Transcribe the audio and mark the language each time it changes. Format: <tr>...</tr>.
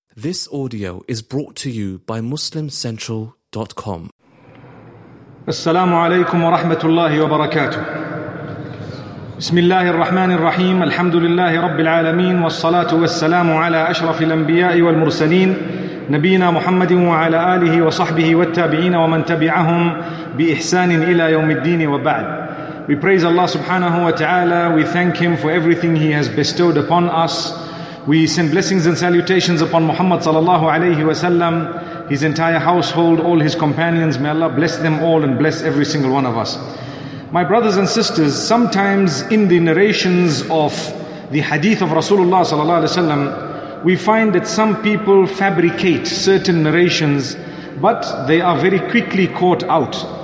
<en>This audio is brought to you by MuslimCentral.com.</en> <ar>السلام عليكم ورحمة الله وبركاته. بسم الله الرحمن الرحيم. الحمد لله رب العالمين، والصلاة والسلام على أشرف الأنبياء والمرسلين نبينا محمد وعلى آله وصحبه والتابعين ومن تبعهم بإحسان إلى يوم الدين وبعد.</ar> <en>We praise Allah subhanahu wa ta'ala. We thank Him for everything He has bestowed upon us. We send blessings and salutations upon Muhammad sallallahu alayhi wa sallam, his entire household, all his companions. May Allah bless them all and bless every single one of us. My brothers and sisters, sometimes in the narrations of the hadith of Rasulullah sallallahu alayhi wa sallam, we find that some people fabricate certain narrations, but they are very quickly caught out.</en>